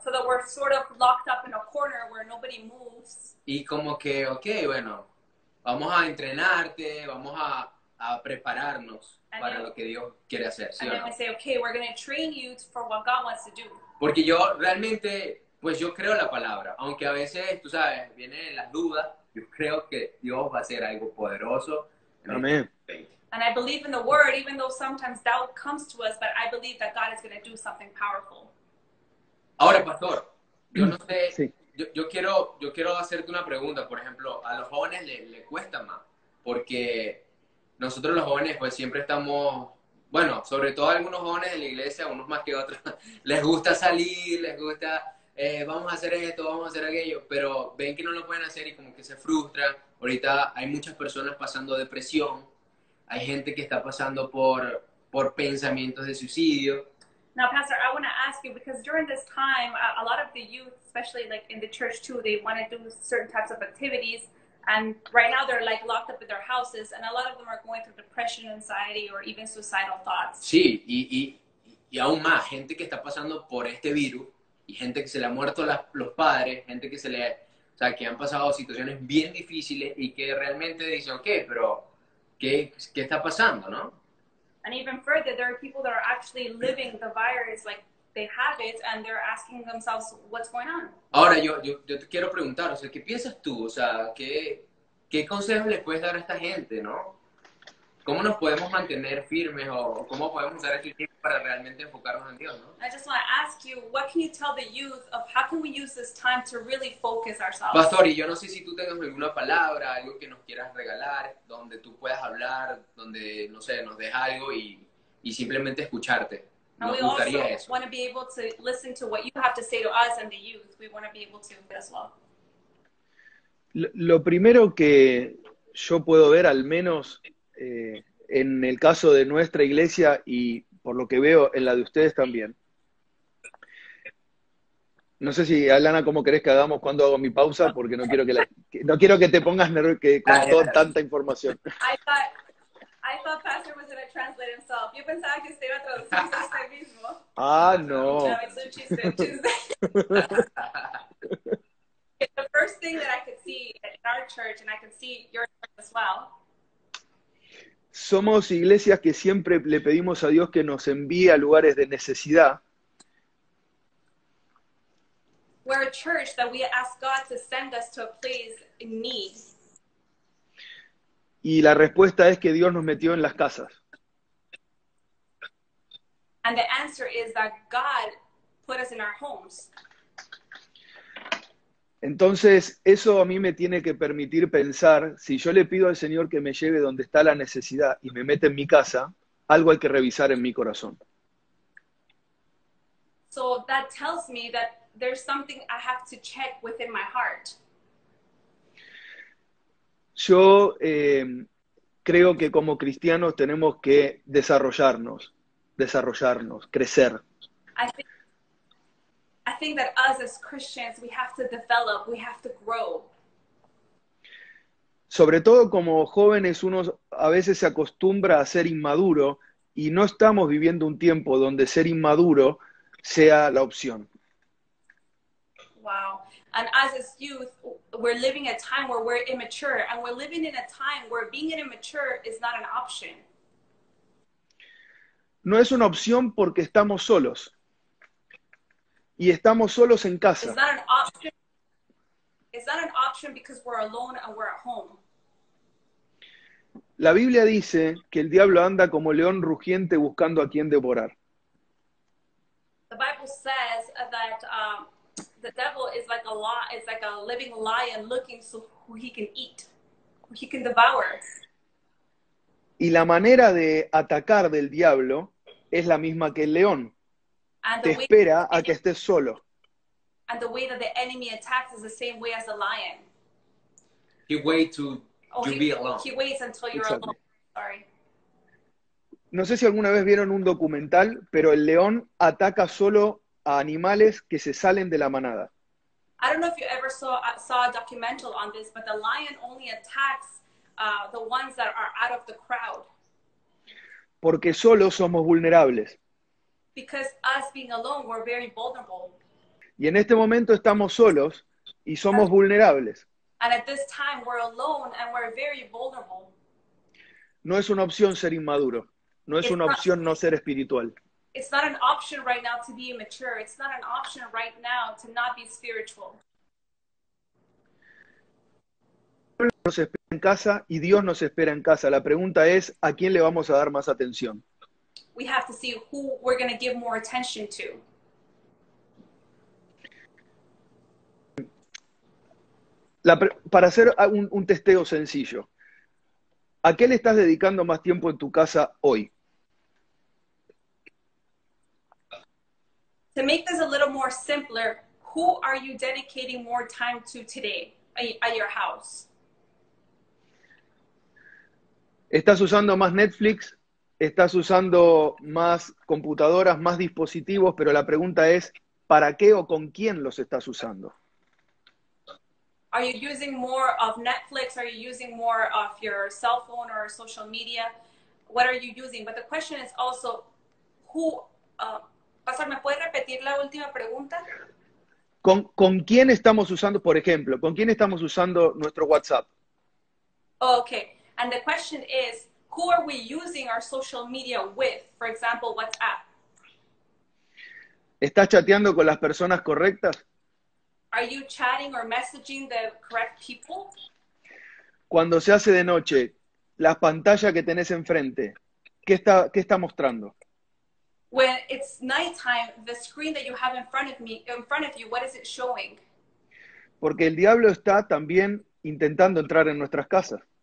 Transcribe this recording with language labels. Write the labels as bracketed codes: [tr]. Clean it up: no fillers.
[en] So that we're sort of locked up in a corner where nobody moves. [es] Y como que, okay, bueno, vamos a entrenarte, vamos a prepararnos para lo que Dios quiere hacer, ¿sí o no? [en] And then we say, okay, we're going to train you for what God wants to do. [es] Porque yo realmente, pues yo creo la palabra. Aunque a veces, tú sabes, vienen las dudas, yo creo que Dios va a hacer algo poderoso. Amén. [en] And I believe in the word, even though sometimes doubt comes to us, but I believe that God is going to do something powerful. [es] Ahora, pastor, yo no sé, sí. yo quiero hacerte una pregunta. Por ejemplo, a los jóvenes le cuesta más, porque nosotros los jóvenes pues siempre estamos, bueno, sobre todo algunos jóvenes de la iglesia, unos más que otros, les gusta salir, les gusta, vamos a hacer esto, vamos a hacer aquello, pero ven que no lo pueden hacer y como que se frustran. Ahorita hay muchas personas pasando depresión, hay gente que está pasando por pensamientos de suicidio. [en] Now, Pastor, I want to ask you, because during this time, a lot of the youth, especially like in the church too, they want to do certain types of activities, and right now they're like locked up in their houses, and a lot of them are going through depression, anxiety, or even suicidal thoughts. [es] Sí, y aún más, gente que está pasando por este virus, y gente que se le ha muerto los padres, gente que se le, o sea, que han pasado situaciones bien difíciles, y que realmente dicen, ok, pero ¿Qué está pasando, no? [en] And even further, there are people that are actually living the virus, like they have it, and they're asking themselves, what's going on? [es] Ahora, yo te quiero preguntar, o sea, ¿qué piensas tú? O sea, ¿qué consejos le puedes dar a esta gente, no? ¿Cómo nos podemos mantener firmes o cómo podemos usar este tiempo para realmente enfocarnos en Dios, no? [en] I just want to ask you, what can you tell the youth of how can we use this time to really focus ourselves? [es] Pastor, y yo no sé si tú tengas alguna palabra, algo que nos quieras regalar, donde tú puedas hablar, donde, no sé, nos des algo y simplemente escucharte. [en] And [es] nos [en] we [es] gustaría [en] also [es] eso. [en] Want to be able to listen to what you have to say to us and the youth. We want to be able to as well. [es] Lo primero que yo puedo ver, al menos en el caso de nuestra iglesia y por lo que veo en la de ustedes también. No sé si, Alana, ¿cómo querés que hagamos cuando hago mi pausa? Porque no quiero que te pongas con tanta información. [en] I thought Pastor was going to translate himself. [es] Yo pensaba que estaba traduciendo a usted mismo. Ah, no. [en] No, it's Luchy. The first thing that I could see in our church, and I can see your church as well, [es] somos iglesias que siempre le pedimos a Dios que nos envíe a lugares de necesidad. [en] We're a church that we ask God to send us to a place in need. [es] Y la respuesta es que Dios nos metió en las casas. [en] And the answer is that God put us in our homes. [es] Entonces, eso a mí me tiene que permitir pensar, si yo le pido al Señor que me lleve donde está la necesidad y me mete en mi casa, algo hay que revisar en mi corazón. [en] So that tells me that there's something I have to check within my heart. [es] Yo creo que como cristianos tenemos que desarrollarnos, crecer. [en] I think that us as Christians, we have to develop, we have to grow. [es] Sobre todo como jóvenes, uno a veces se acostumbra a ser inmaduro y no estamos viviendo un tiempo donde ser inmaduro sea la opción. [en] Wow. And as a youth, we're living a time where we're immature, and we're living in a time where being immature is not an option. [es] No es una opción porque estamos solos. Y estamos solos en casa. [en] It's not an option. It's not an option because we're alone and we're at home. [es] La Biblia dice que el diablo anda como león rugiente buscando a quien devorar. [en] The Bible says that the devil is like a lion, is like a living lion looking so who he can eat, who he can devour. [es] Y la manera de atacar del diablo es la misma que el león. Te espera a que estés solo. [en] And the way that the enemy attacks is the same way as a lion. He waits to be alone. He waits until you're alone. Sorry. [es] No sé si alguna vez vieron un documental, pero el león ataca solo a animales que se salen de la manada. [en] I don't know if you ever saw a documental on this, but the lion only attacks the ones that are out of the crowd. [es] Porque solo somos vulnerables. [en] Because us being alone, we're very vulnerable. [es] Y en este momento estamos solos y somos vulnerables. [en] And at this time, we're alone and we're very vulnerable. [es] No es una opción ser inmaduro. No es una opción no ser espiritual. [en] It's not an option right now to be immature. It's not an option right now to not be spiritual. [es] Nos espera en casa y Dios nos espera en casa. La pregunta es, ¿a quién le vamos a dar más atención? [en] We have to see who we're going to give more attention to. [es] Para hacer un testeo sencillo, ¿a qué le estás dedicando más tiempo en tu casa hoy? [en] To make this a little more simpler, who are you dedicating more time to today at your house? [es] ¿Estás usando más Netflix? ¿Estás usando más computadoras, más dispositivos? Pero la pregunta es, ¿para qué o con quién los estás usando? [en] Are you using more of Netflix? Are you using more of your cell phone or social media? What are you using? But the question is also, who... [es] Pastor, ¿me puede repetir la última pregunta? ¿Con quién estamos usando, por ejemplo, con quién estamos usando nuestro WhatsApp? [en] Okay. And the question is, who are we using our social media with? For example, WhatsApp. [es] ¿Estás chateando con las personas correctas? [en] Are you chatting or messaging the correct people? [es] Cuando se hace de noche, la pantalla que tenés enfrente, ¿qué está mostrando? [en] When it's nighttime, the screen that you have in front of you, what is it showing? [es] Porque el diablo está también intentando entrar en nuestras casas.